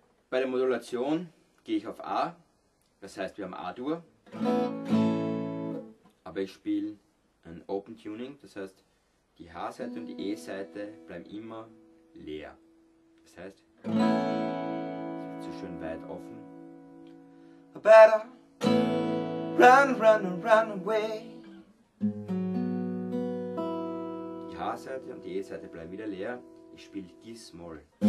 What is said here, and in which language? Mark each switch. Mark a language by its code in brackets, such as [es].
[de] Bei der Modulation gehe ich auf A, das heißt wir haben A-Dur, aber ich spiele ein Open Tuning, das heißt die H-Seite und die E-Seite bleiben immer leer. Das heißt, es wird so schön weit offen. [en] I better run, run, run away. [de] Die H-Seite und die E-Seite bleiben wieder leer, ich spiele G-Small.